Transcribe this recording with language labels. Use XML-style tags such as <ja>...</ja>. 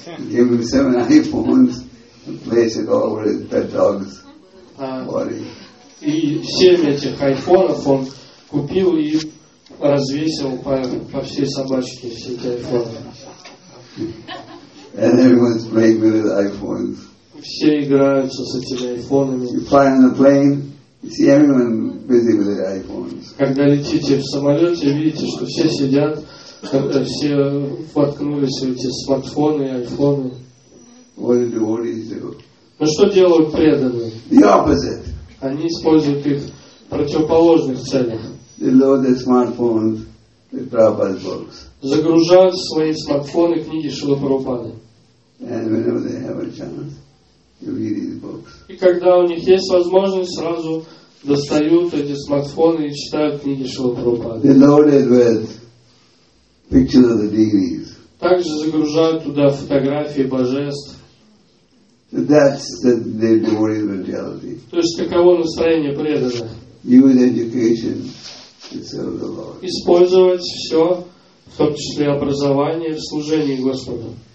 <en>Gave him 7 iPhones and placed it all over his pet dog's body.</en> <ru>И 7 этих айфонов он купил и развесил по всей собачке все эти айфоны.</ru> <en>And everyone's playing with his iPhones.</en> <ru>Все играются с этими айфонами.</ru> <en>You fly on the plane, you see everyone busy with their iPhones.</en> <ru>Когда летите в самолете, видите, что все сидят, все воткнулись в эти смартфоны и айфоны.</ru> <en>What do devotees do?</en> <ru>Но что делают преданные?</ru> <en>The opposite.</en> <ru>Они используют их в противоположных целях.</ru> <en>They load their smartphones with Prabhupada's books.</en> <ru>Загружают в свои смартфоны книги Шрилы Прабхупады.</ru> <en>And whenever they have a chance, they read these books.</en> <ru>И когда у них есть возможность, сразу достают эти смартфоны и читают книги Шрилы Прабхупады.</ru> <en>They load it with pictures of the deities.</en> <ru>Также загружают туда фотографии божеств.</ru> <en>That's the devotee's mentality.</en> <ru>То есть каково настроение преданных?</ru> <en>Use education to serve the Lord.</en> <ru>Использовать все, в том числе образование, в служении Господу.</ru>